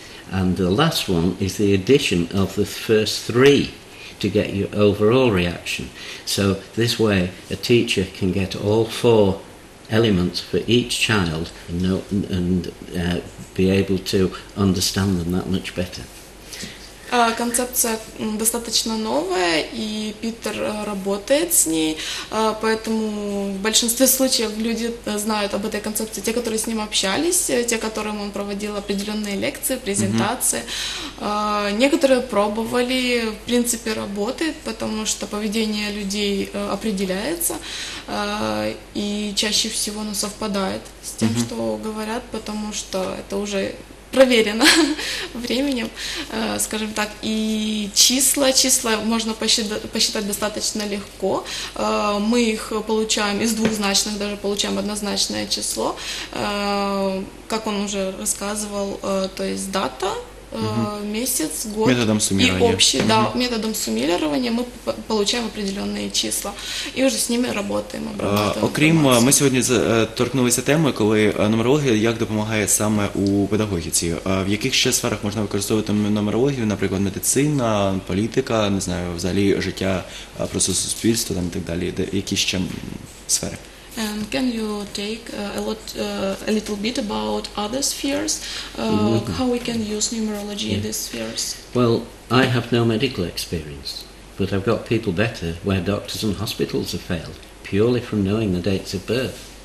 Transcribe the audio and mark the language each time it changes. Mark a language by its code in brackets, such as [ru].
[en] And the last one is the addition of the first three to get your overall reaction. So this way a teacher can get all four elements for each child and, know, and be able to understand them that much better. [ru] Концепция достаточно новая, и Питер работает с ней, поэтому в большинстве случаев люди знают об этой концепции, те, которые с ним общались, те, которым он проводил определенные лекции, презентации. Некоторые пробовали, в принципе, работает, потому что поведение людей определяется, и чаще всего оно совпадает с тем, что говорят, потому что это уже проверено временем, скажем так. И числа можно посчитать достаточно легко. Мы их получаем из двухзначных, даже получаем однозначное число. Как он уже рассказывал, то есть дата, месяц, год. Методом суммирования. И общий, да, методом суммирования мы получаем определенные числа. И уже с ними работаем. [uk] Окрім, ми сьогодні торкнулися теми, коли нумерологія як допомагає саме у педагогіці. В яких ще сферах можна використовувати нумерологію? Наприклад, медицина, політика, не знаю, взагалі життя, просто суспільство там, і так далі. Які ще сфери? [en] And can you take a little bit about other spheres, how we can use numerology in these spheres? Well, I have no medical experience, but I've got people better where doctors and hospitals have failed, purely from knowing the dates of birth.